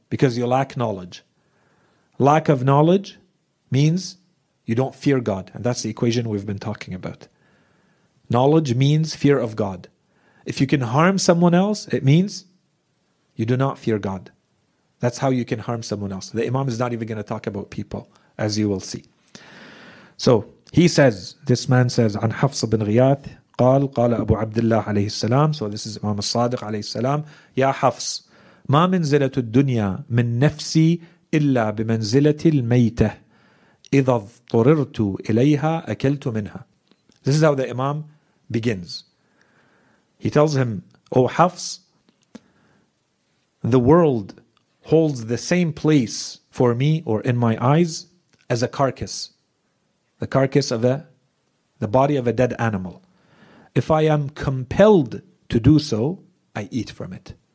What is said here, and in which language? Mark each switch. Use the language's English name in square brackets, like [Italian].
[English] Because you lack knowledge. Lack of knowledge means you don't fear God. And that's the equation we've been talking about. Knowledge means fear of God. If you can harm someone else, it means you do not fear God. That's how you can harm someone else. The Imam is not even going to talk about people, as you will see. So he says, this man says, [Arabic] عن حفص بن غياث قال قال أبو عبد الله عليه السلام. [English] So this is Imam al-Sadiq عليه السلام. [Arabic] يا حفص ما منزلة الدنيا من نفسي إلا بمنزلة الميتة إذا اضطررت إليها أكلت منها. [English] This is how the Imam begins. He tells him, O Hafs, the world holds the same place for me or in my eyes as a carcass. The carcass of the body of a dead animal. If I am compelled to do so, I eat from it.